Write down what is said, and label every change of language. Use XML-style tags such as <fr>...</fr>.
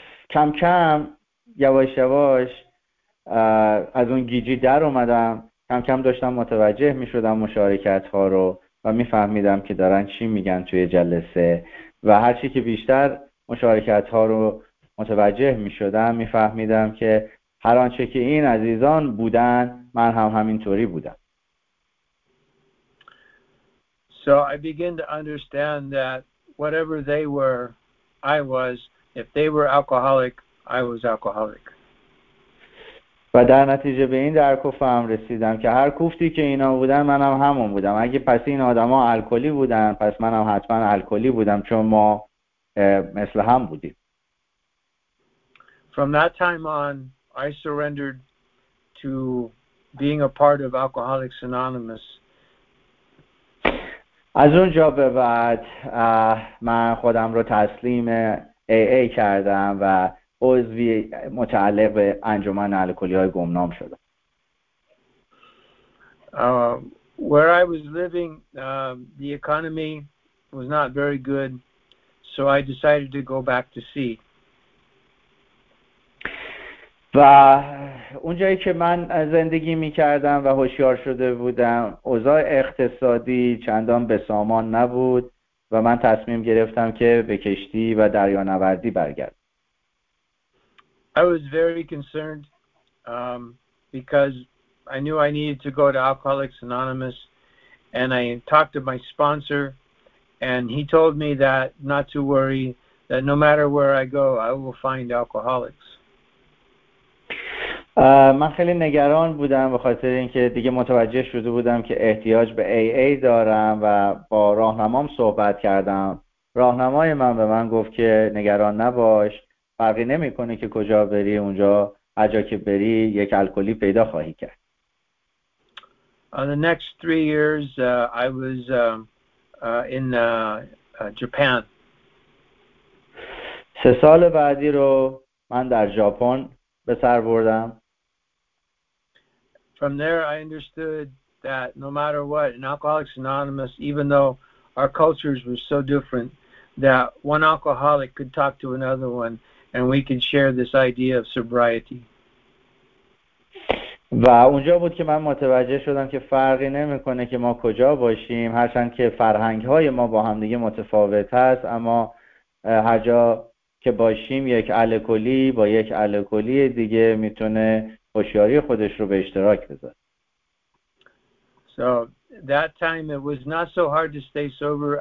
<fa>کم کم یواش یواش از اون گیجی در اومدم، کم کم داشتم متوجه می شدم مشارکت ها رو و می فهمیدم که دارن چی میگن توی جلسه، و هرچی که بیشتر مشارکت ها رو متوجه می شدم می فهمیدم که هر آنچه که این عزیزان بودن، من هم همینطوری بودم.</fa> <en>So I begin to understand that whatever they were, I was. If they were alcoholic, I was alcoholic.</en> <fa>و در نتیجه به این درک و فهم رسیدم که هر کوفتی که اینا بودن، منم هم همون بودم. اگه پس این آدما الکلی بودن، پس منم حتما الکلی بودم، چون ما مثل هم بودیم.</fa> <en>From that time on, I surrendered to being a part of Alcoholics Anonymous.</en> <fa>از اونجا به بعد من خودم رو تسلیم AA کردم و عضوی متعلق به انجمن الکلی‌های گمنام شدم.</fa> <en>Where I was living, the economy was not very good, so I decided to go back to sea.</en> <fa>و اونجایی که من زندگی می‌کردم و هوشیار شده بودم، اوضاع اقتصادی چندان به سامان نبود و من تصمیم گرفتم که به کشتی و دریانوردی برگردم.</fa> <en>I was very concerned because I knew I needed to go to Alcoholics Anonymous, and I talked to my sponsor, and he told me that not to worry, that no matter where I go, I will find alcoholics.</en> <fa>من خیلی نگران بودم به خاطر اینکه دیگه متوجه شده بودم که احتیاج به AA دارم و با راهنمام صحبت کردم و راهنمای من به من گفت که نگران نباش، فرقی نمیکنه که کجا بری، اونجا هر جا که بری یک الکلی پیدا خواهی کرد.</fa> <en>On the next 3 years, I was in Japan.</en> <fa>سه سال بعدی رو من در ژاپن به سر بردم.</fa> <en>From there, I understood that no matter what, in Alcoholics Anonymous, even though our cultures were so different, that one alcoholic could talk to another one, and we could share this idea of sobriety.</en> <fa>و اونجا بود که من متوجه شدم که فرقی نمیکنه که ما کجا باشیم، هرچند که فرهنگ های ما با هم دیگه متفاوت هست، اما هر جا که باشیم یک الکلی با یک الکلی دیگه میتونه هوشیاری خودش رو به اشتراک بذاره.</fa> <en>So that time it was not so hard to stay sober.</en>